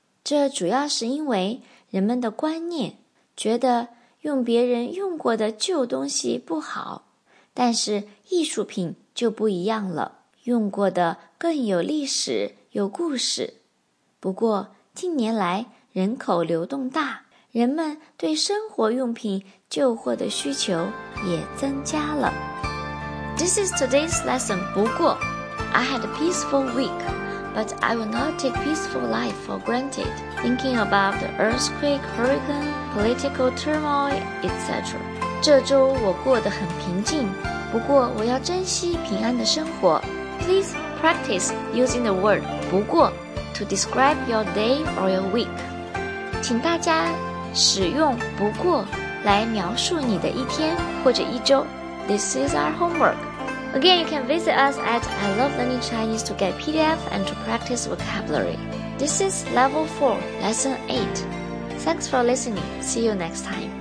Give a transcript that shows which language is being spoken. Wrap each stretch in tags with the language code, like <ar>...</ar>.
<zh>这主要是因为人们的观念觉得用别人用过的旧东西不好，但是艺术品就不一样了，用过的更有历史，有故事。不过近年来人口流动大，人们对生活用品旧货的需求也增加了。</zh> <en>This is today's lesson. 不过 I had a peaceful week, but I will not take peaceful life for granted, thinking about the earthquake, hurricane, political turmoil, etc.</en> <zh>这周我过得很平静，不过我要珍惜平安的生活。</zh> <en>Please practice using the word 不过 to describe your day or your week.</en> <zh>请大家使用不过来描述你的一天或者一周。</zh> <en>This is our homework. Again, you can visit us at I Love Learning Chinese to get PDF and to practice vocabulary. This is Level 4, Lesson 8. Thanks for listening. See you next time.</en>